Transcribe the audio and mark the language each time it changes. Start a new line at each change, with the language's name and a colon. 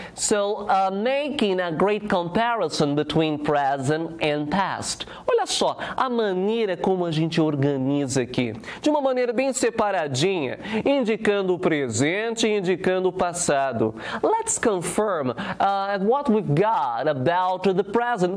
English: So, making a great comparison between present and past.
Portuguese: Olha só, a maneira como a gente organiza aqui. De uma maneira bem separadinha, indicando o presente e indicando o passado.
English: Let's confirm what we've got about the present.